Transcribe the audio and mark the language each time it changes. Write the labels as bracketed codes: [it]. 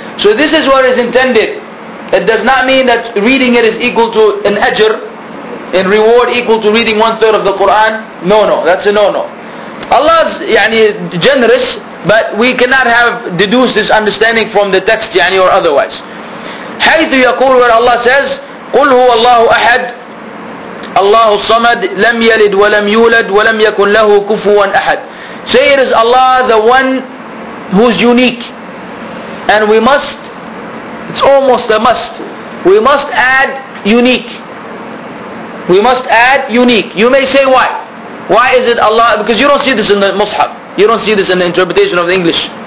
[en] So this is what is intended. It does not mean that reading it is equal to an ajr, in reward equal to reading one third of the Quran. No, no, that's a no-no. Allah is يعني, generous, but we cannot have deduced this understanding from the text يعني, or otherwise. [ar] حيث يقول, [en] where Allah says, [ar] قل هو الله أحد, الله الصمد, لم يلد ولم يولد ولم يكن له كفوا أحد. [en] Say it is Allah, the one who is unique. And we must, it's almost a must, we must add unique. We must add unique. You may say why? Why is it Allah? Because you don't see this in the Mus'haf. You don't see this in the interpretation of the English.